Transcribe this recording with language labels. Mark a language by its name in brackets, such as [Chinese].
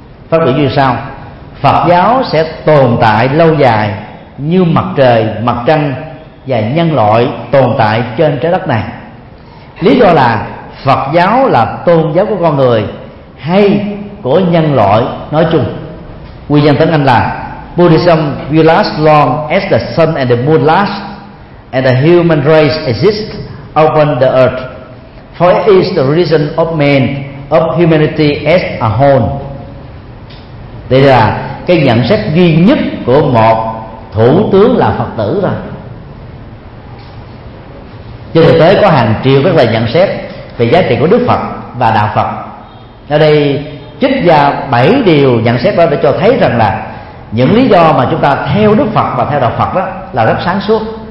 [Vietnamese] Phát biểu như sau: Phật giáo sẽ tồn tại lâu dài như mặt trời, mặt trăng và nhân loại tồn tại trên trái đất này. Lý do là Phật giáo là tôn giáo của con người hay của nhân loại nói chung. Nguyên nhân tiếng Anh là [English] Buddhism will last long as the sun and the moon last, and the human race exists upon the earth, for it is the reason of man, of humanity as a whole. [Vietnamese] Đây là cái nhận xét duy nhất của một thủ tướng là Phật tử rồi. Trên thực tế có hàng triệu các lời nhận xét về giá trị của Đức Phật và Đạo Phật. Ở đây trích ra 7 điều nhận xét đó để cho thấy rằng là những lý do mà chúng ta theo Đức Phật và theo Đạo Phật đó là rất sáng suốt.